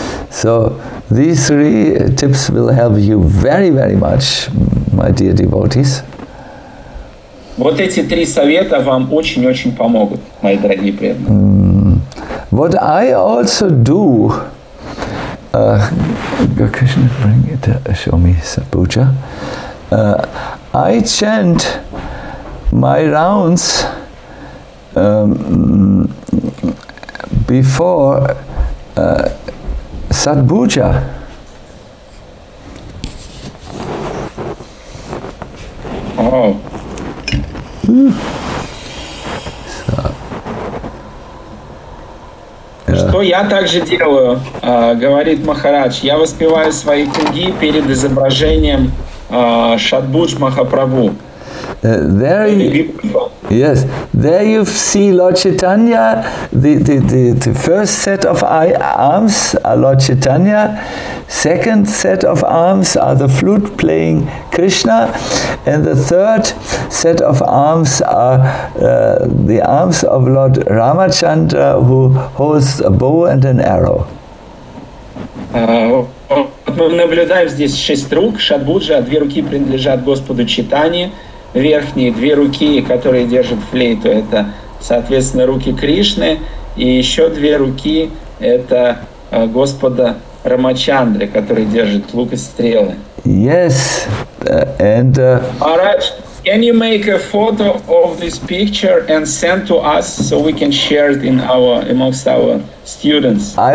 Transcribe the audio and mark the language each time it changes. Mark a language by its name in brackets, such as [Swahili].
[English] So these three tips will help you very, very much, my dear devotees. [Russian] Вот эти три совета вам очень-очень помогут, мои дорогие преданные. [English] What I also do. Krishna, bring it, show me Sapuja. I chant my rounds before Sadbuja. Oh. [Russian] Что я также делаю, говорит Махарадж, я воспеваю свои круги перед изображением Шадбудж Махапрабху. [English] There, Yes, there you see Lord Chaitanya, the first set of arms are Lord Chaitanya, second set of arms are the flute playing Krishna, and the third set of arms are the arms of Lord Ramachandra, who holds a bow and an arrow. [Russian] Мы наблюдаем здесь шесть рук, Шатбуджа, две руки принадлежат Господу Чайтанье, верхние две руки, которые держат флейту, это, соответственно, руки Кришны, и еще две руки – это Господа Рамачандры, который держит лук и стрелы. [English] Yes, and... Maharaj, can you make a photo of this picture and send to us so we can share it in our, amongst our students?